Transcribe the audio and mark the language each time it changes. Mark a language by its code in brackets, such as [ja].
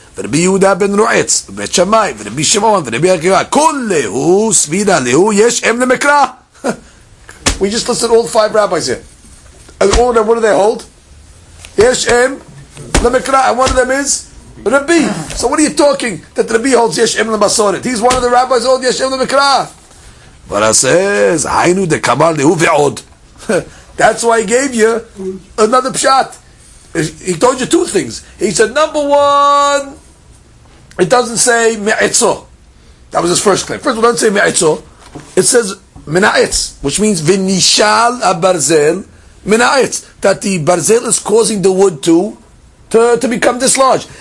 [he] ורבי יהודה בן רועץ, ובית שמאי, ורבי שמעון, ורבי עקיבא, כולהו סבירה להו יש אם למקרא. [en] We just listed all five rabbis here. And all of them, what do they hold? [he] יש אם למקרא, [en] and one of them is רבי. So what are you talking, that רבי holds [he] יש אם למסורת? [en] He's one of the rabbis who holds [he] יש אם למקרא. ורא says, היינו דקמר להו ועוד. [en] That's why he gave you another פשט. He told you two things. He said, number one, it doesn't say me'etzo. That was his first claim. First of all, it doesn't say me'etzo. It says mina'etz, which means [he] v'nishal abarzel mina'etz, [en] that the barzel is causing the wood to become dislodged.